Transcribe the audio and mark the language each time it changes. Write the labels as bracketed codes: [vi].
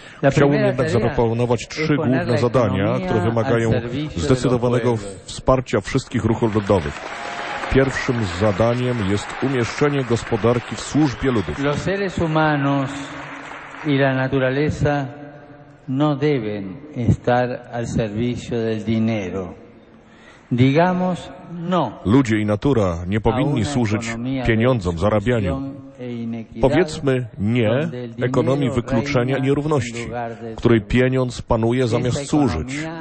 [pl] Chciałbym jednak zaproponować trzy główne zadania, które wymagają zdecydowanego wsparcia wszystkich ruchów ludowych. Pierwszym zadaniem jest umieszczenie gospodarki w służbie ludów. [es] Los seres humanos y la naturaleza no deben estar al servicio del dinero. Digamos no. [pl] Ludzie i natura nie powinni służyć pieniądzom, zarabianiu. Powiedzmy nie ekonomii wykluczenia i nierówności, której pieniądz panuje zamiast służyć.